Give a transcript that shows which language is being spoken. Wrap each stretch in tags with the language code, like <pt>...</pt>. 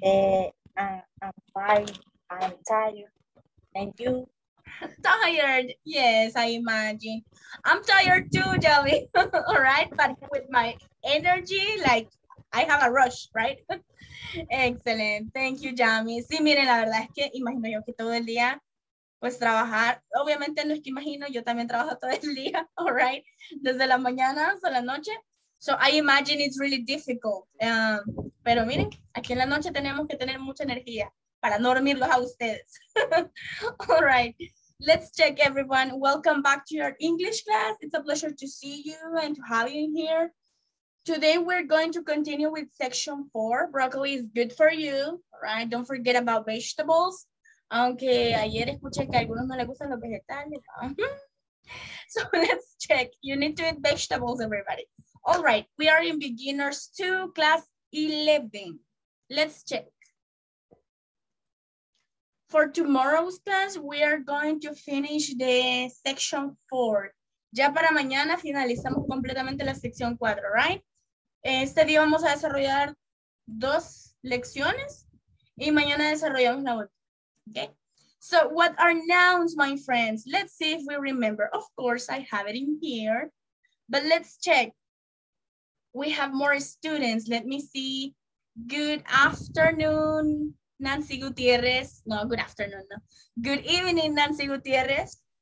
<en>evening. I'm tired, and you? Tired, yes, I imagine. I'm tired too, Jami, all right? But with my energy, like, I have a rush, right? Excellent, thank you, Jami.</en> <es>Sí, miren, la verdad es que imagino yo que todo el día pues trabajar, obviamente no es que imagino, yo también trabajo todo el día,</es> <en>all right?</en> <es>Desde la mañana hasta la noche.</es> <en>So I imagine it's really difficult.</en> <es>Pero miren, aquí en la noche tenemos que tener mucha energía para no dormirlos a ustedes.</es> <en>All right, let's check everyone. Welcome back to your English class. It's a pleasure to see you and to have you in here. Today we're going to continue with section 4. Broccoli is good for you, all right? Don't forget about vegetables.</en> <es>Aunque ayer escuché que a algunos no les gustan los vegetales.</es> <en>So let's check. You need to eat vegetables, everybody. All right. We are in beginners 2, class 11. Let's check. For tomorrow's class, we are going to finish the section 4.</en> <es>Ya para mañana finalizamos completamente la sección 4, right? Este día vamos a desarrollar 2 lecciones y mañana desarrollamos la otra.</es> <en>Okay, so what are nouns, my friends? Let's see if we remember. Of course, I have it in here, but let's check. We have more students. Let me see. Good afternoon, Nancy Gutierrez. No, good afternoon. No. Good evening, Nancy Gutierrez.</en>